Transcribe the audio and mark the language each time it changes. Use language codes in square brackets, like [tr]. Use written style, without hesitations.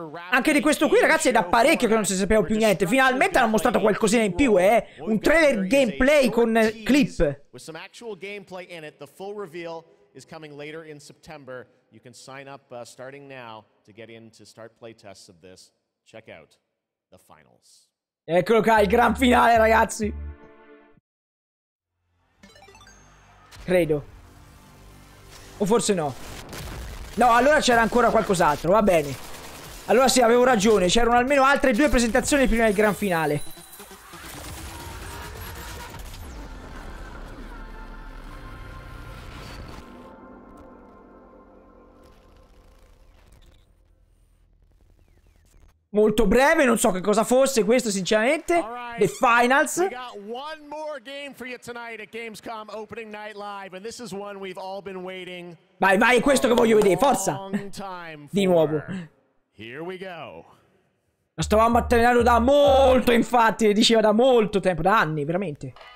[it] Anche di questo qui, ragazzi, è da parecchio che non si sapeva più niente. Finalmente hanno mostrato qualcosina in più, eh. Un trailer gameplay con clip. [en] With some actual gameplay in it, the full reveal is coming later in September. You can sign up starting now to get in to start playtests of this. Check out the finals. [it] Eccolo qua, il gran finale, ragazzi. Credo. O forse no. No, allora c'era ancora qualcos'altro, va bene. Allora sì, avevo ragione, c'erano almeno altre due presentazioni prima del gran finale. molto breve, non so che cosa fosse questo sinceramente. [en] The Finals. We got one more game for you tonight at Gamescom opening night live, and this is one we've all been waiting. [it] Vai, vai, è questo che voglio vedere, forza. Di nuovo. [en] Here we go. [it] Lo stavamo attendendo da molto, infatti, diceva da molto tempo, da anni, veramente.